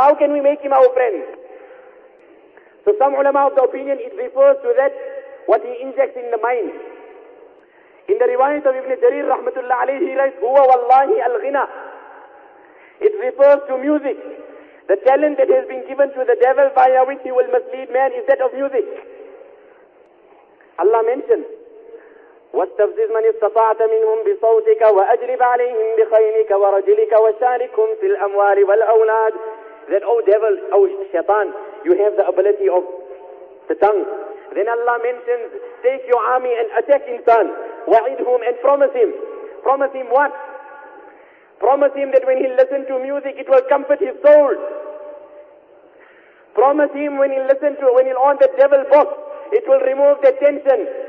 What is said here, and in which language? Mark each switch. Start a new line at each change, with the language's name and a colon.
English: How can we make him our friend? So some ulama of the opinion, it refers to that what he injects in the mind. In the riwayat of Ibn Jarir rahmatullah alayhi, he writes,
Arabic: huwa wallahi al-ghina.
English: It refers to music. The talent that has been given to the devil via which he will mislead man is that of music. Allah mentions,
Arabic: واستفزز من استطعت منهم بصوتك وأجلب عليهم بخيلك ورجلك وشاركهم في الأموال والأولاد.
English: That, oh devil, oh shaitan, you have the ability of the tongue. Then Allah mentions, take your army and attack insan. وعدهم, and promise him. Promise him what? Promise him that when he listens to music, it will comfort his soul. Promise him when he'll own the devil box, it will remove the tension.